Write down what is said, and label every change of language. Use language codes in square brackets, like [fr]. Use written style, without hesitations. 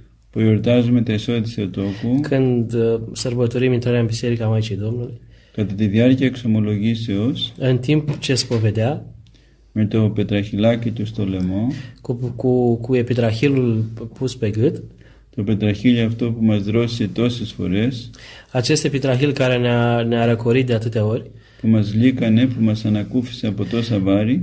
[el] που γιορτάζουμε τα εσόδια της Θεοτόκου, [ro] când sărbătorim intrarea în Biserica Maicii Domnului, [el] κατά τη διάρκεια εξομολογήσεως, [ro] în timp ce spovedea, [el] με το πετραχυλάκι του στο λαιμό, [ro] cu επιτραχύλου pus pe gât, [el] το πετραχύλι αυτό που μας δρώσει τόσες φορές, [ro] acest επιτραχύλ care ne-a răcorit de atâtea ori, [el] που μας λύκανε, που μας ανακούφισε από τόσα βάρη,